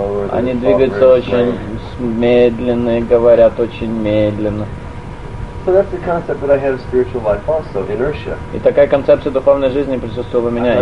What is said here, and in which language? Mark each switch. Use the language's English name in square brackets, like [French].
[Russian] Они двигаются очень медленно, говорят очень медленно. [English] So that's the concept that I had of spiritual life also, inertia. [Russian] И такая концепция духовной жизни присутствовала у меня,